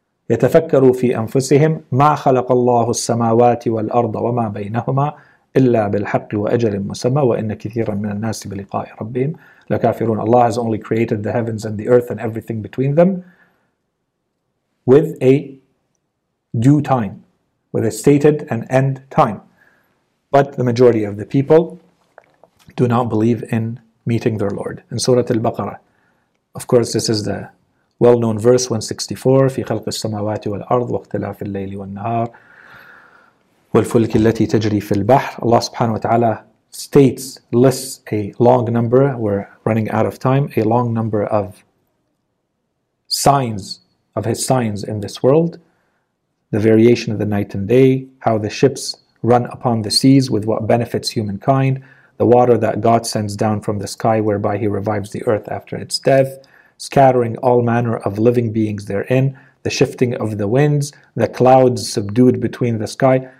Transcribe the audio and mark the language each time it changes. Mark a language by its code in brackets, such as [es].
[ar] يَتَفَكَّرُوا فِي أَنفُسِهِمْ مَا خَلَقَ اللَّهُ السَّمَاوَاتِ وَالْأَرْضَ وَمَا بَيْنَهُمَا إِلَّا بِالْحَقِّ وَأَجَلٍ مُسَمَّى وَإِنَّ كِثِيرًا مِنَ النَّاسِ بِلِقَاءِ رَبِّهِمْ لَكَافِرُونَ. [en] Allah has only created the heavens and the earth and everything between them with a due time, with a stated and end time. But the majority of the people do not believe in meeting their Lord. In Surah Al-Baqarah, of course, this is the well-known verse 164, [ar] في خلق السماوات والأرض واختلاف الليل والنهار والفلك التي تجري في البحر. [en] Allah subhanahu wa ta'ala states, lists a long number, we're running out of time, a long number of signs, of His signs in this world, the variation of the night and day, how the ships run upon the seas with what benefits humankind, the water that God sends down from the sky whereby he revives the earth after its death, scattering all manner of living beings therein, the shifting of the winds, the clouds subdued between the sky.